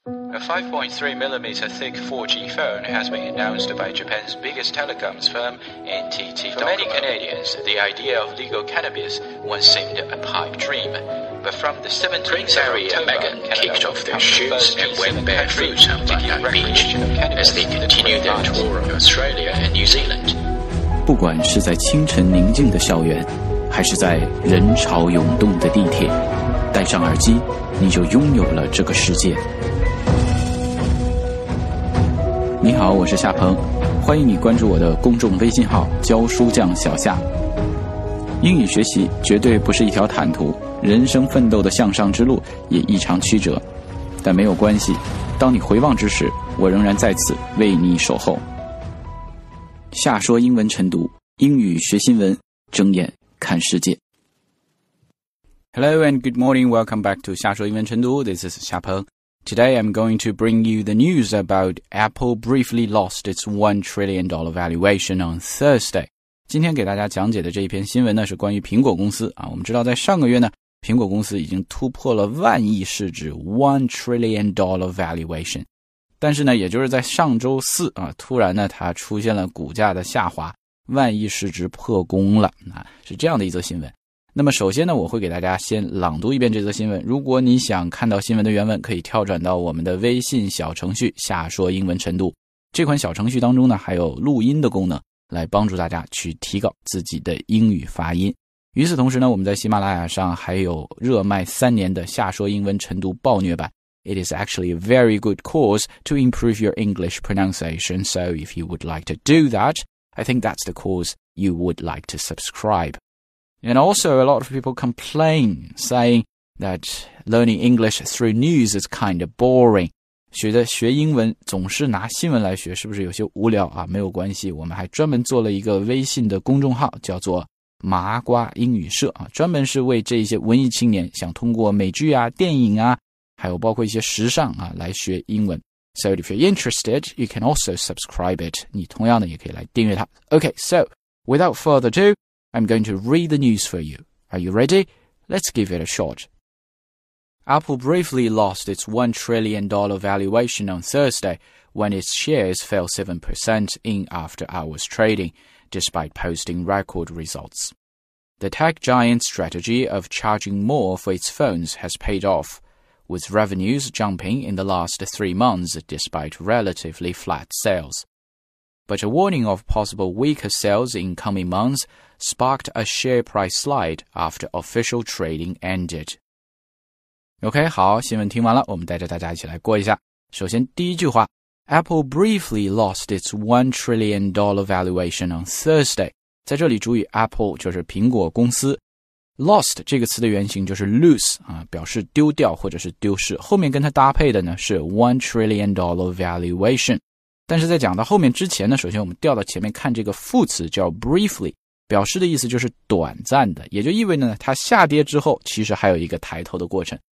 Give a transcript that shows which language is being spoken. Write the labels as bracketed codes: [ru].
[en] A 5.3 millimeter thick 4G phone has been announced by Japan's biggest telecoms firm, NTT Docomo. For many Canadians, the idea of legal cannabis once seemed a pipe dream. But from the 17th of October, Meghan kicked off their shoots and went barefoot on Bundang Beach as they continued their tour of Australia and New Zealand. [zh] 不管是在清晨宁静的校园，还是在人潮涌动的地铁，戴上耳机，你就拥有了这个世界。你好，我是夏鹏，欢迎你关注我的公众微信号教书匠小夏。英语学习绝对不是一条坦途，人生奋斗的向上之路也异常曲折，但没有关系，当你回望之时，我仍然在此为你守候。夏说英文晨读，英语学新闻，睁眼看世界。 [en] Hello and good morning, welcome back to 夏说英文晨读， this is 夏鹏。 Today, I'm going to bring you the news about Apple briefly lost its $1 trillion valuation on Thursday. [zh] 今天给大家讲解的这一篇新闻呢，是关于苹果公司。我们知道在上个月呢，苹果公司已经突破了万亿市值 [en] $1 trillion valuation。 [zh] 但是呢，也就是在上周四啊，突然呢，它出现了股价的下滑，万亿市值破功了，是这样的一则新闻。那么首先呢，我会给大家先朗读一遍这则新闻。如果你想看到新闻的原文，可以跳转到我们的微信小程序下说英文晨读。这款小程序当中呢，还有录音的功能，来帮助大家去提高自己的英语发音。与此同时呢，我们在喜马拉雅上还有热卖三年的下说英文晨读暴虐版。 [en] It is actually a very good course to improve your English pronunciation. So if you would like to do that, I think that's the course you would like to subscribe. And also, a lot of people complain, saying that learning English through news is kind of boring. [zh] 学英文总是拿新闻来学，是不是有些无聊啊？没有关系，我们还专门做了一个微信的公众号，叫做麻瓜英语社啊，专门是为这些文艺青年想通过美剧啊、电影啊，还有包括一些时尚啊来学英文。 [en] So if you're interested, you can also subscribe it. [zh] 你同样的也可以来订阅它。 [en] Okay, so without further ado,I'm going to read the news for you. Are you ready? Let's give it a shot. Apple briefly lost its $1 trillion valuation on Thursday when its shares fell 7% in after-hours trading, despite posting record results. The tech giant's strategy of charging more for its phones has paid off, with revenues jumping in the last 3 months despite relatively flat sales. But a warning of possible weaker sales in coming months sparked a share price slide after official trading ended. [zh] OK, 好，新闻听完了，我们带着大家一起来过一下。首先第一句话， [en] Apple briefly lost its $1 trillion valuation on Thursday. [zh] 在这里注意 Apple 就是苹果公司。Lost 这个词的原型就是 lose, 表示丢掉或者是丢失。后面跟它搭配的呢是 [en] $1 trillion valuation. [zh] 但是在讲到后面之前呢，首先我们调到前面看这个副词叫 briefly, 表示的意思就是短暂的，也就意味着呢它下跌之后其实还有一个抬头的过程。